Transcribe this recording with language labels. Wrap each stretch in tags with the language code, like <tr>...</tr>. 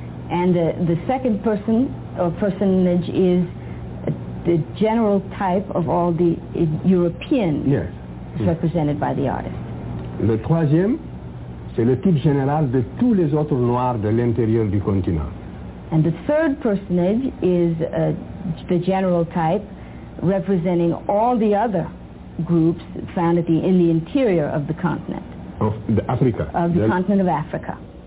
<en>And the second person or personage is the general type of all the Europeans, yes, represented by the artist.</en> <fr>Le troisième, c'est le type général de tous les autres Noirs de l'intérieur du continent.</fr> <en>And the third personage is the general type representing all the other groups found at in the interior of the continent. Of the Africa. Of the continent of Africa.</en>